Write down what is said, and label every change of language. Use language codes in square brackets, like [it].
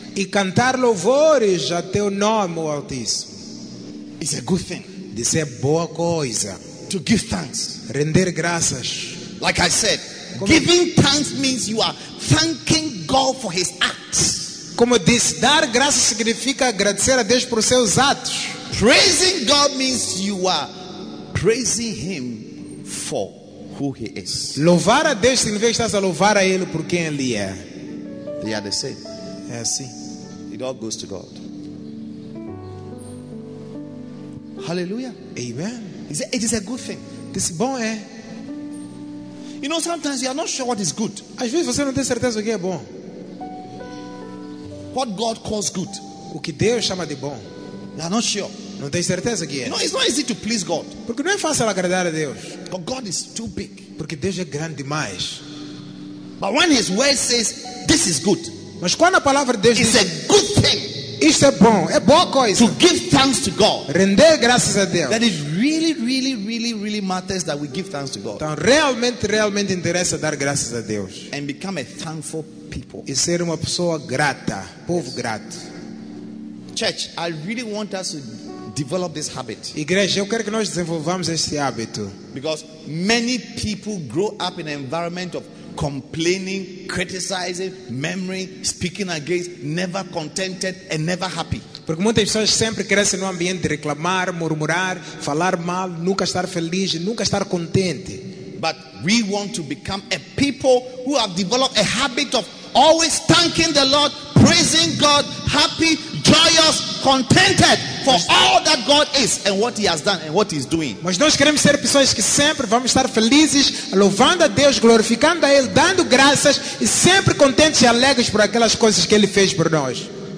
[pt] E cantar louvores a teu nome, o Altíssimo. [en] It's a good thing. [pt] Isso é boa coisa. [en] To give thanks. [pt] Render graças. [en] Like I said, giving thanks means you are thanking God for his acts. [pt] Como disse, dar graça significa agradecer a Deus por seus atos. [en] Praising God means you are praising him for who he is. [pt] Louvar a Deus significa que estás a louvar a ele por quem ele é. [en] They are the same. [pt] É assim. [en] It all goes to God. Hallelujah. Amen. It is a good thing. [pt] Disse, bom é. [en] You know, sometimes you are not sure what is good. [pt] Às vezes você não tem certeza o que é bom. [en] What God calls good. [pt] O que Deus chama de bom. [en] You are not sure. [pt] Não tem certeza o que é. [en] You know, it's not easy to please God. [pt] Porque não é fácil agradar a Deus. [en] But God is too big. [pt] Porque Deus é grande demais. [en] But when His word says, this is good. [pt] Mas quando a palavra de Deus [en] it's [pt] diz, [en] a good thing. [pt] Isso é bom, é boa coisa. [en] To give thanks to God. [pt] Render graças a Deus. [en] That it really, really, really, really matters that we give thanks to God. [pt] Então realmente, realmente interessa dar graças a Deus. [en] And become a thankful people. [pt] E ser uma pessoa grata, povo yes. grato. [en] Church, I really want us to develop this habit. [pt] Igreja, eu quero que nós desenvolvamos este hábito. [en] Because many people grow up in an environment of complaining, criticizing, murmuring, speaking against, never contented and never happy. [pt] Porque muitas pessoas sempre crescem num ambiente de reclamar, murmurar, falar mal, nunca estar feliz, nunca estar contente. [en] But we want to become a people who have developed a habit of always thanking the Lord, praising God, happy, joyous, contented for all that God is and what He has done and what He is doing. [pt] Mas nós queremos ser pessoas que sempre vamos estar felizes, louvando a Deus, glorificando a Ele, dando graças e sempre contentes e alegres por aquelas coisas que Ele fez por nós.